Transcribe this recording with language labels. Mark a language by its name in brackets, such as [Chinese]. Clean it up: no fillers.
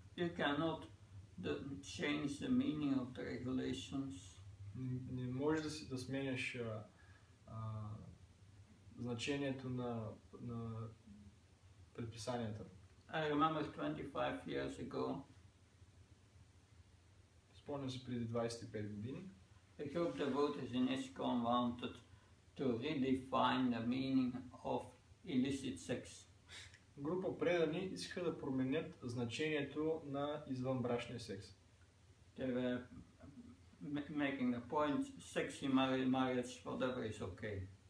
[English] You cannot change the meaning of the regulations. [Bulgarian] Не можеш да сменяш значението на предписанията. [English] I remember 25 years ago. [Bulgarian] Спомням се преди 25 години. [English] A group of devotees in ISKCON wanted to redefine the meaning of illicit sex. [Bulgarian] Група предани искаха да променят значението на извънбрачния секс. [English] Making the point, sexy marriage, whatever is okay.